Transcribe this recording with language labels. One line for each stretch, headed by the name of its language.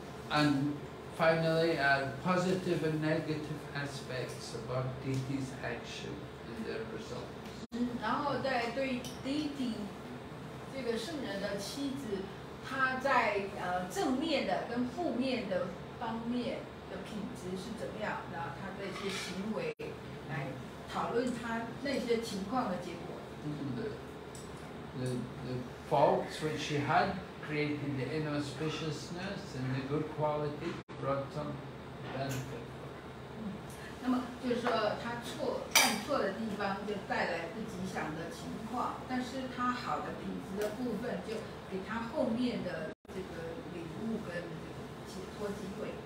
English: And finally, positive and negative aspects about Diti's action and their result.
Chinese: 然后在对弟弟这个圣人的妻子，他在正面的跟负面的方面的品质是怎么样，然后他的一些行为来讨论他那些情况的结果。
English: The faults which she had created, the inauspiciousness and the good quality brought some benefit.
Chinese: 那么就是说他犯错的地方就带来不吉祥的情况，但是他好的品质的部分就给他后面的这个领悟跟这个解脱机会。